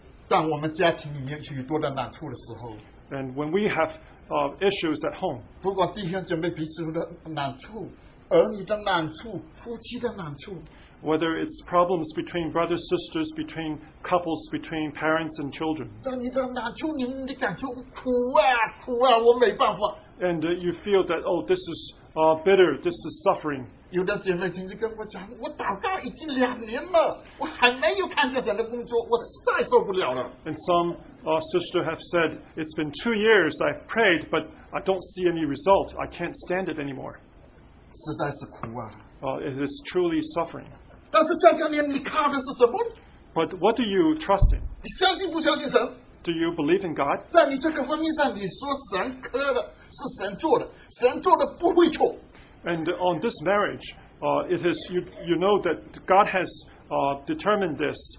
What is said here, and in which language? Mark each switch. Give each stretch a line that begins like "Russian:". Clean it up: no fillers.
English: And when we have issues at home, whether it's problems between brothers, sisters, between couples, between parents and children, and you feel that, oh, this is bitter this is suffering.
Chinese: 有的姐妹听着跟我讲，我祷告已经两年了，我还没有看见神的工作，我实在受不了了。And
English: some sister have said it's been 2 years I've prayed, but I don't see any result. I can't stand it anymore.
Chinese: 实在是苦啊。
English: It is truly suffering.
Chinese: 但是这两年你靠的是什么？
English: But what do you trust in?
Chinese: 你相信不相信神？
English: Do you believe in God?
Chinese: 在你这个方面上，你说神磕的是神做的，神做的不会错。
English: And on this marriage, it is you know that God has determined this.